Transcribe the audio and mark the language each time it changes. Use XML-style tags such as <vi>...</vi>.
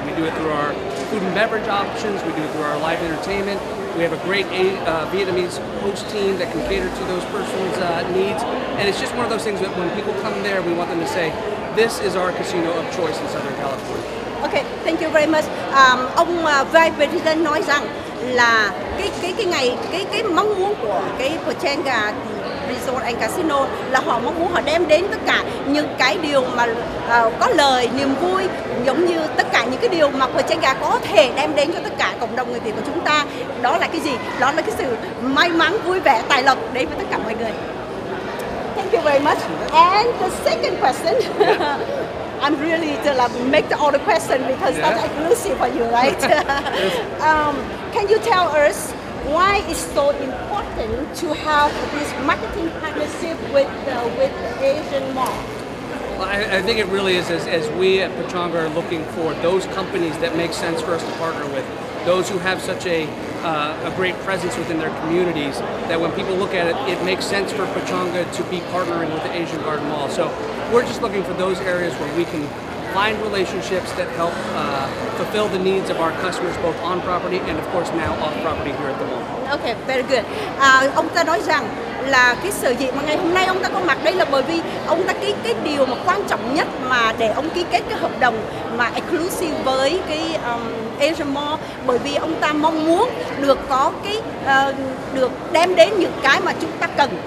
<en>We do it through our food and beverage options, we do it through our live entertainment. We have a great Vietnamese host team that can cater to those person's needs. And it's just one of those things that when people come there, we want them to say, this is our casino of choice in Southern California. Okay, thank you very much.</en> <vi>Ông Vice President nói rằng là cái mong muốn của cái Pechanga Resort and Casino là họ mong muốn họ đem đến tất cả những cái điều mà có lời, niềm vui giống như tất cả những cái điều mà Pechanga có thể đem đến cho tất cả cộng đồng người Việt của chúng ta. Đó là cái gì? Đó là cái sự may mắn, vui vẻ, tài lộc đến với tất cả mọi người.</vi> <en>Thank you very much. And the second question. I'm really to make all the questions because that's exclusive for you, right? Can you tell us why it's so important to have this marketing partnership with Asian Mall? Well, I think it really is as we at Pechanga are looking for those companies that make sense for us to partner with, those who have such a great presence within their communities, that when people look at it, it makes sense for Pechanga to be partnering with the Asian Garden Mall. So we're just looking for those areas where we can find relationships that help fulfill the needs of our customers both on property and of course now off property here at the mall. Okay, very good.</en> <vi>Ông ta nói rằng là cái sự việc mà ngày hôm nay ông ta có mặt đây là bởi vì ông ta ký cái điều mà quan trọng nhất mà để ông ký kết cái hợp đồng mà exclusive với cái Asia Mall, bởi vì ông ta mong muốn được có cái được đem đến những cái mà chúng ta cần.</vi>